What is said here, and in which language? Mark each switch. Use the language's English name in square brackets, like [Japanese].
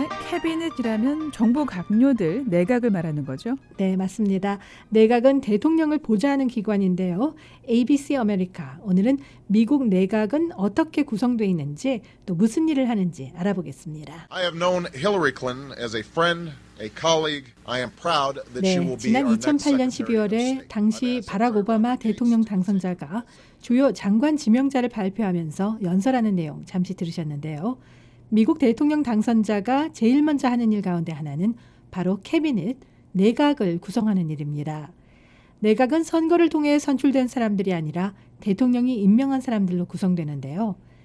[Korean] 캐비넷이라면 정부 각료들, 내각을 말하는 거죠? 네, 맞습니다. 내각은 대통령을 보좌하는 기관인데요. ABC 아메리카, 오늘은 미국 내각은 어떻게 구성되어 있는지 또 무슨 일을 하는지 알아보겠습니다. [English] I have known Hillary Clinton as a friend, a colleague. I am proud that she will be our next secretary. [Korean] 지난 2008년 12월에 당시 바락 오바마 대통령 당선자가 주요 장관 지명자를 발표하면서 연설하는 내용 잠시 들으셨는데요. 미국 대통령 당선자가 제일 먼저 하는 일 가운데 하나는 바로 캐비닛, 내각을 구성하는 일입니다. 내각은 선거를 통해 선출된 사람들이 아니라 대통령이 임명한 사람들로 구성되는데요.